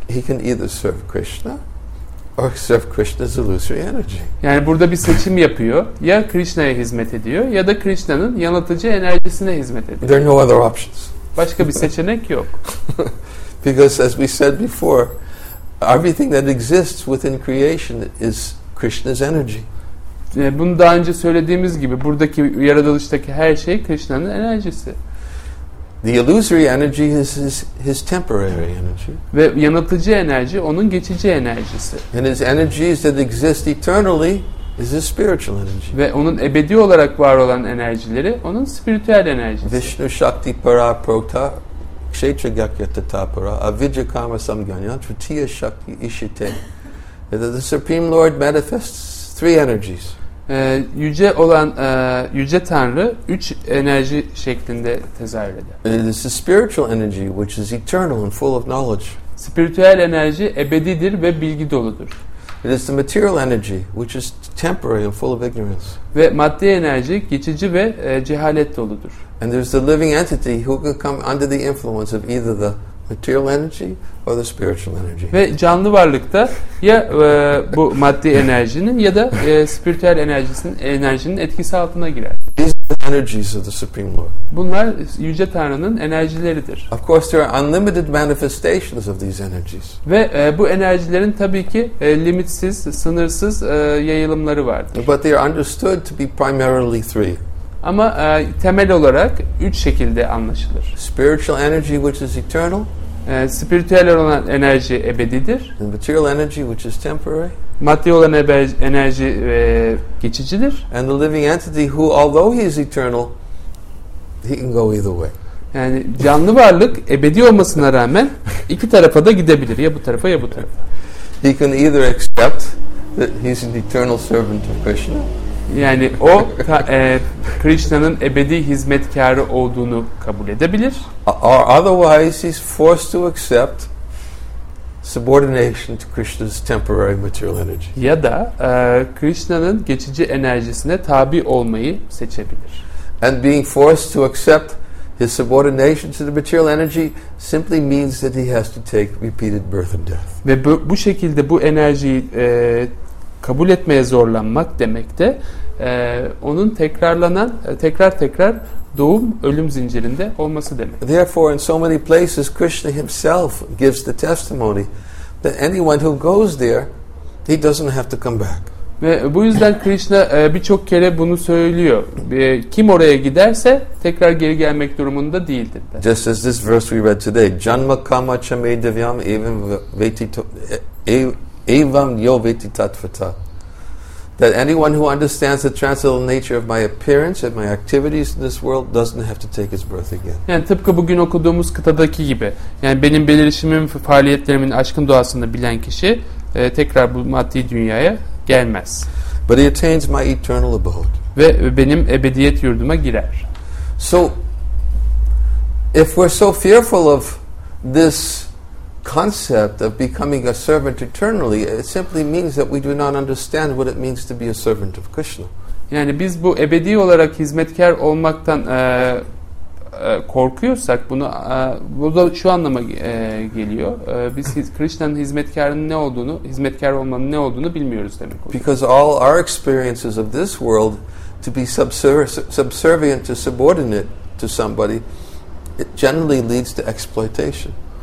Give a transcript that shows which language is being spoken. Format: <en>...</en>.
<en>He can either serve Krishna or serve Krishna's illusory energy.</en> <tr>Yani burada bir seçim yapıyor. Ya Krishna'ya hizmet ediyor ya da Krishna'nın yanıltıcı enerjisine hizmet ediyor.</tr> <en>There are no other options.</en> <tr>Başka bir seçenek yok.</tr> <en>Because as we said before, everything that exists within creation is Krishna's energy.</en> <tr>Bunu daha önce söylediğimiz gibi buradaki yaratılıştaki her şey Krishna'nın enerjisi.</tr> <en>The illusory energy is his temporary energy.</en> <tr>Ve yanıltıcı enerji onun geçici enerjisi.</tr> <en>And his energies that exist eternally is his spiritual energy.</en> <tr>Ve onun ebedi olarak var olan enerjileri onun spiritüel enerjisi.</tr> <sa>Vishnu Shakti Para Prota Kshetra Gakya Tatapara Avijja Kama Samganya Tritiya Shakti Ishite.</sa> <en>The Supreme Lord manifests three energies.</en> <tr>Yüce olan yüce Tanrı üç enerji şeklinde tezahür eder.</tr> <en>This is spiritual energy which is eternal and full of knowledge.</en> <tr>Spiritüel enerji ebedidir ve bilgi doludur.</tr> <en>It is the material energy which is temporary and full of ignorance.</en> <tr>Ve maddi enerji geçici ve cehalet doludur.</tr> <en>And there's the living entity who can come under the influence of either the material energy or the spiritual energy.</en> <tr>Ve canlı varlıkta ya bu maddi enerjinin ya da spiritüel enerjinin etkisi altına girer.</tr> <en>These are the energies of the Supreme Lord.</en> <tr>Bunlar yüce Tanrı'nın enerjileridir.</tr> <en>Of course there are unlimited manifestations of these energies.</en> <tr>Ve bu enerjilerin tabii ki limitsiz, sınırsız yayılımları vardır.</tr> <en>But they are understood to be primarily three.</en> <tr>Ama temel olarak üç şekilde anlaşılır.</tr> <en>Spiritual energy which is eternal.</en> <tr>Spiritüel olan enerji ebedidir.</tr> <en>And material energy which is temporary.</en> <tr>Maddi olan enerji geçicidir.</tr> <en>And the living entity who although he is eternal, he can go either way.</en> <tr>Yani canlı varlık ebedi olmasına rağmen iki tarafa da gidebilir. Ya bu tarafa ya bu tarafa.</tr> <en>He can either accept that he is an eternal servant of Krishna.</en> <tr>Yani o Krishna'nın ebedi hizmetkarı olduğunu kabul edebilir.</tr> <en>Or otherwise he's forced to accept subordination to Krishna's temporary material energy.</en> <tr>Ya da Krishna'nın geçici enerjisine tabi olmayı seçebilir.</tr> <en>And being forced to accept his subordination to the material energy simply means that he has to take repeated birth and death.</en> <tr>Ve bu şekilde bu enerjiyi kabul etmeye zorlanmak demek de onun tekrar doğum ölüm zincirinde olması demek.</tr> <en>Therefore in so many places Krishna himself gives the testimony that anyone who goes there he doesn't have to come back.</en> <tr>Ve bu yüzden Krishna birçok kere bunu söylüyor. Kim oraya giderse tekrar geri gelmek durumunda değildir. De.</tr> <en>Just as this verse we read today,</en> <sa>janma kama chame devyam even vetito evam yoveti tatvata.</sa> <en>That anyone who understands the transcendental nature of my appearance and my activities in this world doesn't have to take his birth again.</en> <tr>Yani tıpkı bugün okuduğumuz kıtadaki gibi, yani benim belirişimim, faaliyetlerimin aşkın doğasını bilen kişi tekrar bu maddi dünyaya gelmez.</tr> <en>But he attains my eternal abode.</en> <tr>Ve benim ebediyet yurduma girer.</tr> <en>So if we're so fearful of this concept of becoming a servant eternally, it simply means that we do not understand what it means to be a servant of Krishna.</en> <tr>Yani biz bu ebedi olarak hizmetkar olmaktan korkuyorsak, bunu bu da şu anlama geliyor. Biz Krishna'nın hizmetkarının ne olduğunu, hizmetkar olmanın ne olduğunu bilmiyoruz demek oluyor.</tr> <en>Because all our experiences of this world to be subservient to subordinate to somebody, it generally leads to exploitation.</en>